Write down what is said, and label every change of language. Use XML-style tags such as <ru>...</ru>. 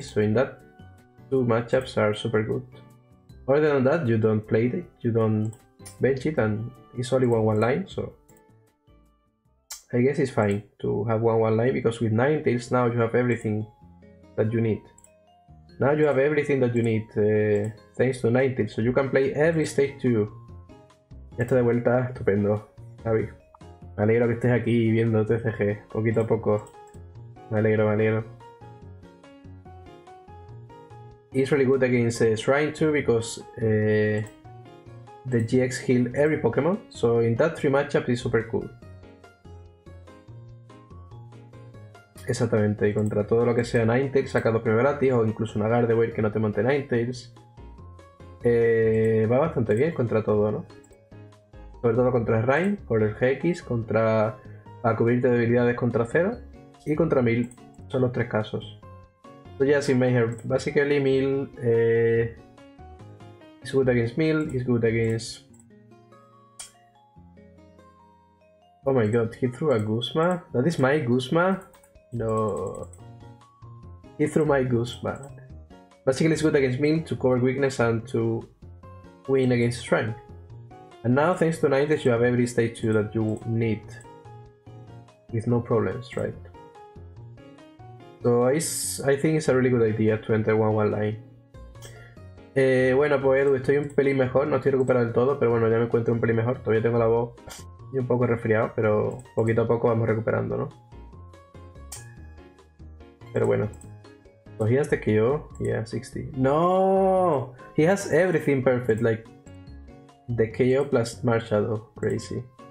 <en>So in that, two matchups are super good. Other than that, you don't play it, you don't bench it, and it's only 1-1 line, so I guess it's fine to have 1-1 line because with Ninetales now you have everything that you need. Now you have everything that you need thanks to Ninetales, so you can play every stage 2.</en> <es>Ya está de vuelta, estupendo, Javi. Me alegro que estés aquí viendo TCG, poquito a poco. Me alegro, me alegro.</es> <en>It's really good against Shrine 2 because the GX heal every Pokémon, so in that 3 matchup is super cool.</en> <es>Exactamente, y contra todo lo que sea Ninetales, saca 2 premios gratis o incluso una Gardevoir que no te monte Ninetales. Va bastante bien contra todo, ¿no? Sobre todo contra Shrine, por el GX, contra a cubrirte debilidades contra cero y contra mill, son los 3 casos. Ya sin Mayhem, básicamente</es> <en>mill is good against mill, is good against. Oh my god, he threw a Guzma. That is my Guzma. No, he threw my Guzma. Basically, it's good against mill to cover weakness and to win against strength. And now, thanks to Ninetales, you have every stage 2 that you need with no problems, right? So I think it's a really good idea to enter 1-1 line.</en> <es>Bueno, pues Edu, estoy un pelín mejor, no estoy recuperado del todo, pero bueno, ya me encuentro un pelín mejor. Todavía tengo la voz y un poco resfriado, pero poquito a poco vamos recuperando, ¿no? Pero bueno. Cogí antes que yo.</es> <en>Yeah, 60.</en> <es>¡No!</es> <en>He has everything perfect, like the KO plus Marshadow, crazy.</en>